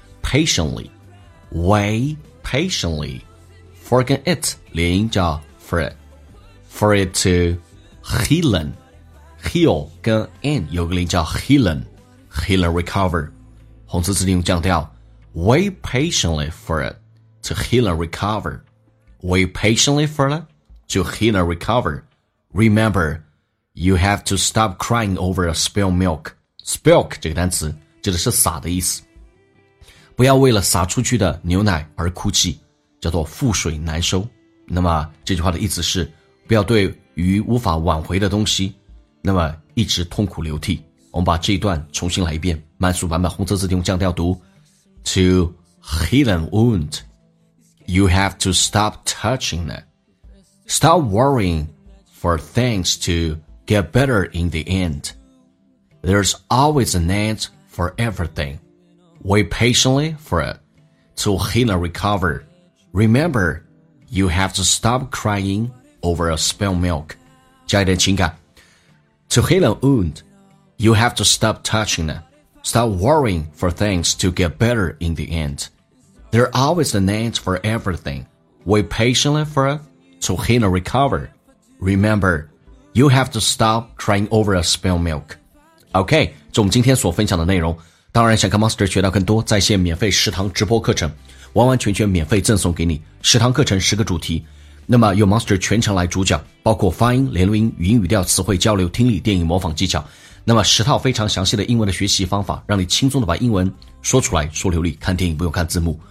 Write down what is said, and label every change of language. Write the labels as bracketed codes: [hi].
[en] Patiently, wait patiently for it [zh] 连音叫 [en] for it to healing, heal [zh] 跟 end 有个连叫 [en] healing, healing recover. 红色字体用降调 wait patiently for it to heal and recover. Wait patiently for it to heal and recover. Remember, you have to stop crying over a spilled milk. [zh] Spilk 这个单词指的是洒的意思。不要为了洒出去的牛奶而哭泣，叫做覆水难收。那么这句话的意思是，不要对于无法挽回的东西，那么一直痛苦流涕。我们把这一段重新来一遍，慢速版本，红色字体用降调读 [en] To heal a wound, you have to stop touching it. Stop worrying for things to get better in the end. There's always an end for everythingWait patiently for it to heal and recover. Remember, you have to stop crying over a spilled milk. [zh] 加一点情感。 [en] To heal a wound, you have to stop touching it. Stop worrying for things to get better in the end. There's always an end for everything. Wait patiently for it to heal and recover. Remember, you have to stop crying over a spilled milk. [zh] OK, 这我们今天所分享的内容。当然想跟 Master 学到更多在线免费食堂直播课程，完完全全免费赠送给你食堂课程十个主题，那么由 Master 全程来主讲，包括发音、连录音、语音语调、词汇交流、听力、电影模仿技巧，那么十套非常详细的英文的学习方法，让你轻松的把英文说出来说流利，看电影不用看字幕。